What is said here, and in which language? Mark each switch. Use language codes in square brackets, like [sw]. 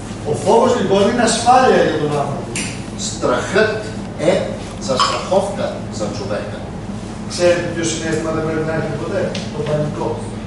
[el] ο φόβος λοιπόν είναι ασφάλεια για τον άνθρωπο. [bg] Στραχът е за страховка за човека. [el] Ξέρετε ποιο συνέστημα δεν πρέπει να έχει ποτέ, το πανικό.